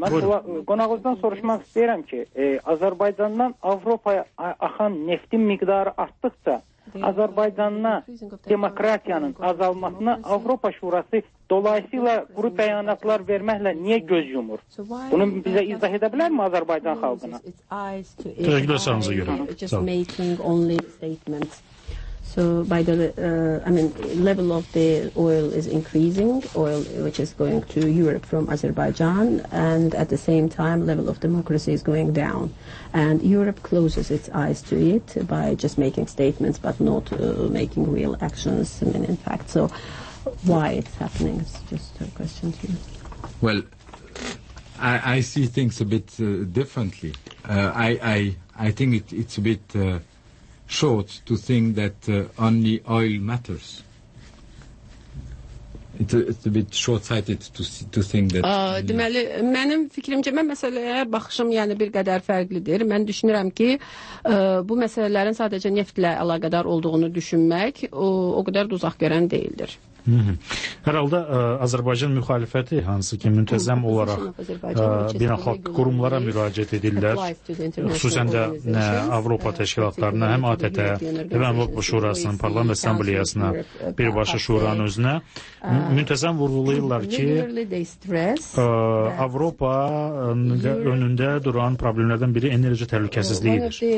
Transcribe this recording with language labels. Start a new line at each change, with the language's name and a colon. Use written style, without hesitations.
Azerbaijani: Mən Qonağızdan soruşmaq istəyirəm ki, Azərbaycandan Avropaya axan neftin miqdarı artdıqca Azərbaycanına demokratiyanın azalmasına Avropa Şurası dolayısıyla quru bəyanatlar verməklə niyə göz yumur? Bunu bizə izah edə bilərmi Azərbaycan xalqına? Təşəkkürlər sağınıza görə.
English: So by the level of the oil is increasing, oil which is going to Europe from Azerbaijan, and at the same time level of democracy is going down, and Europe closes its eyes to it by just making statements but not making real actions in fact. So why it's happening is just a question to you. Well, I see things a bit differently. I think it's a bit short to think that only oil matters. It's a bit short-sighted to think that.
Azerbaijani: Deməli, mənim fikrimcə, mən məsələyə baxışım yəni bir qədər fərqlidir. Mən düşünürəm ki, bu məsələlərin sadəcə neftlə əlaqədar olduğunu düşünmək o qədər də uzaq görən deyildir. Hər halda Azərbaycan müxalifəti, hansı ki müntəzəm olaraq beynəlxalq qurumlara müraciət edirlər, xüsusən də Avropa təşkilatlarına, həm ATƏT-ə, həm Avropa Şurasının Parlament Assambleyasına, birbaşa şuranın özünə müntəzəm vurğulayırlar ki, Avropa önündə duran problemlərdən biri enerji təhlükəsizliyidir.